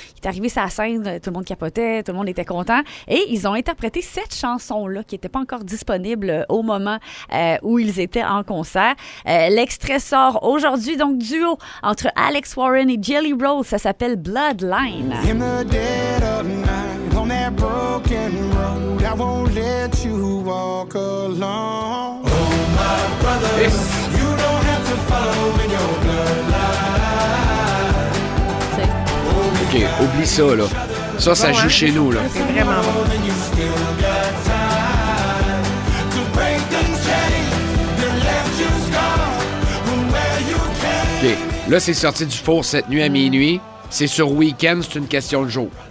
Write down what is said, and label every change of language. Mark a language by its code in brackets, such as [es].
[fr] Il est arrivé sur la scène, tout le monde capotait, tout le monde était content. Et ils ont interprété cette chanson-là qui n'était pas encore disponible au moment où ils étaient en concert. L'extrait sort aujourd'hui, donc duo entre Alex Warren et Jelly Roll. Ça s'appelle [en] Bloodline. In the dead of night. On that broken road, I won't let you walk alone. Oh, my brother, yes. You don't have to follow in your bloodline. Oh, [fr] OK, oublie ça, là. Ça, ça joue chez nous, là. C'est vraiment bon. [en] And you still got time to break the chain that left you scarred from where you came. [fr] OK, là, c'est sorti du four cette nuit à minuit. C'est sur week-end, c'est une question de jour.